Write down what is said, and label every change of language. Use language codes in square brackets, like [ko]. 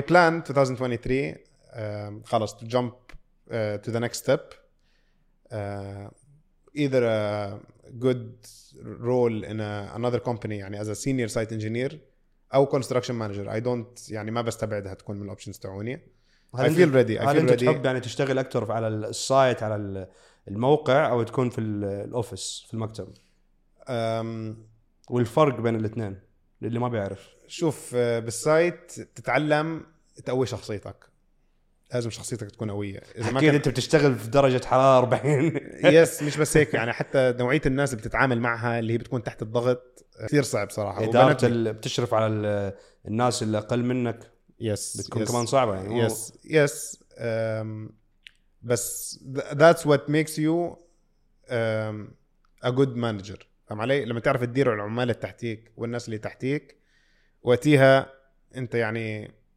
[en] plan 2023 خلاص to jump to the next step. Either a good role in another company يعني as a senior site engineer أو construction manager. I don't [ar] يعني ما بستبعدها تكون من الأوبشنز تعوني. [en] I feel ready. I feel ready. [ar] هل تحب يعني تشتغل أكثر على السايت على الموقع أو تكون في الأوفيس في المكتب؟ والفرق بين الاثنين اللي ما بيعرف. شوف بالسايت تتعلم تقوي شخصيتك. لازم شخصيتك تكون قوية. إذا ما كنت أنت بتشتغل في درجة حرارة 40. يس مش بس هيك يعني حتى نوعية الناس اللي بتتعامل معها اللي هي بتكون تحت الضغط كثير صعب صراحة. إدارة بتشرف على الناس اللي أقل منك. يس. بتكون يس. كمان صعبة يعني. يس يس. [en] بس that's what makes you a good manager. [ar] فهم علي؟ لما تعرف تدير العمال التحتيك والناس اللي تحتيك وقتها أنت يعني.